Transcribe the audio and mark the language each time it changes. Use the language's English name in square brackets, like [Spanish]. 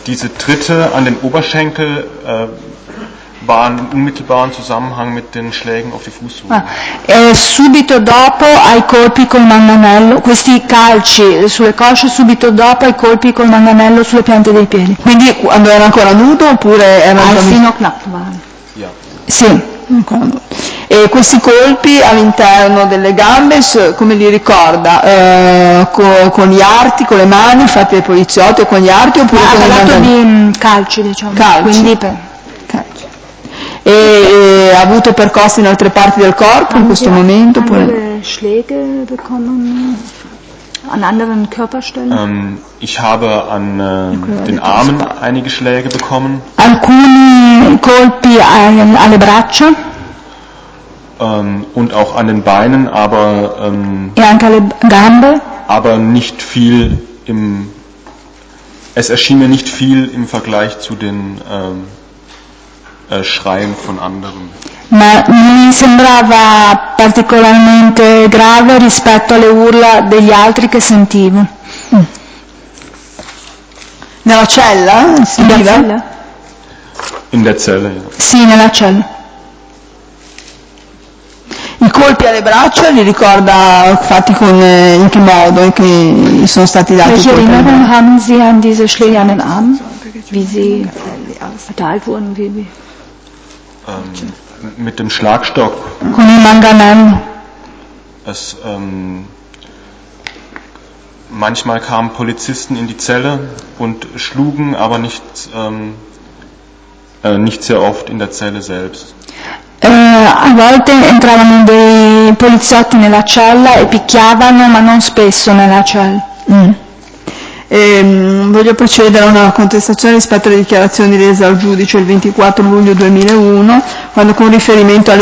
[German] Diese Tritte an den Oberschenkel waren in unmittelbaren Zusammenhang mit den Schlägen auf die Fußsohle. [Italian] Subito dopo ai colpi col manganello, questi calci sulle cosce, subito dopo ai colpi col manganello sulle piante dei piedi. Quindi quando era ancora nudo oppure era ancora nudo? Sì. E questi colpi all'interno delle gambe, come li ricorda? Con gli arti, con le mani, fatti dai poliziotti, con gli arti oppure con il manganello? Ha parlato di calci, diciamo. Calci. Quindi E ha avuto percosse in altre parti del corpo in questo momento? [German] Haben wir Schläge bekommen an anderen Körperstellen? Ich habe an den Armen einige Schläge bekommen. [Italian] Alcuni colpi alle braccia? [German] Und auch an den Beinen, aber [Italian] e anche alle gambe? [German] Aber nicht viel im... Es erschien mir nicht viel im Vergleich zu den... schreien von anderen. [Italian] Ma non mi sembrava particolarmente grave rispetto alle urla degli altri che sentivo. Nella cella? [German] In der Zelle? In der Zelle, ja. [Italian] Sì, nella cella. I colpi alle braccia li ricorda fatti con in che modo che sono stati dati? [German] Welche Erinnerungen haben Sie an diese Schläge an den Armen? Wie sie verteilt wurden, wie Mit dem Schlagstock. [Italian] Con il manganello. [German] Es manchmal kamen Polizisten in die Zelle und schlugen, aber nicht sehr oft in der Zelle selbst. [Italian] A volte entravano dei poliziotti nella cella e picchiavano, ma non spesso nella cella. Voglio procedere a una contestazione rispetto alle dichiarazioni rese al giudice il 24 luglio 2001, quando con riferimento alle